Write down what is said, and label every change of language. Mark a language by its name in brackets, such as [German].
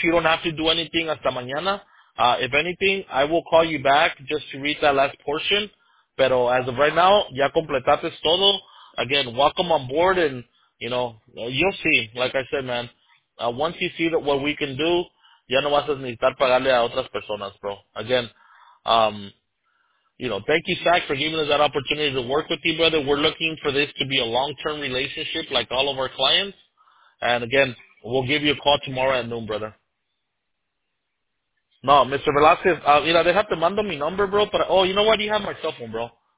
[English] You don't have to do anything [Spanish] hasta mañana. [English] If anything, I will call you back just to read that last portion. Pero as of right now, [Spanish] ya completaste todo. [English] Again, welcome on board, and you know, you'll see. Like I said, man, once you see that what we can do. [Spanish] Ya no vas a necesitar pagarle a otras personas, bro. [English] Again, you know, thank you, Zach, for giving us that opportunity to work with you, brother. We're looking for this to be a long-term relationship like all of our clients. And again, we'll give you a call tomorrow at noon, brother. No, Mr. Velasquez, you know, they have to [Spanish] mando mi [English] number, bro, but, oh, you know what? You have my cell phone, bro.